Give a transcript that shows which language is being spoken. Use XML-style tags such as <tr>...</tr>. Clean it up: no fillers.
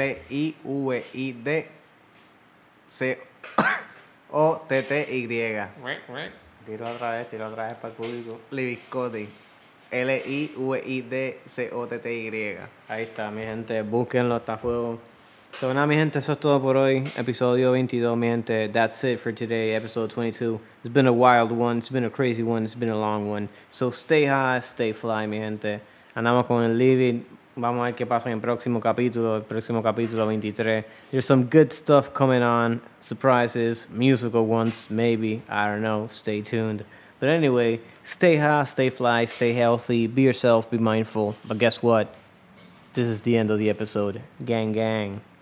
<es>L-I-V-I-D C-O-T-T-Y. Tiro otra vez para el público. Livid Cody. L-I-V-I-D-C-O-T-T-Y. Ahí está, mi gente. Búsquenlo, está a fuego. So, nada, mi gente, eso es todo por hoy. Episodio 22, mi gente.</es> <en>That's it for today, episode 22. It's been a wild one, it's been a crazy one, it's been a long one. So, stay high, stay fly,</en> <es>mi gente. Andamos con el Livid. Vamos a ver qué pasa en el próximo capítulo 23.</es> <en>There's some good stuff coming on, surprises, musical ones, maybe, I don't know, stay tuned. But anyway, stay high, stay fly, stay healthy, be yourself, be mindful. But guess what? This is the end of the episode. Gang, gang.</en>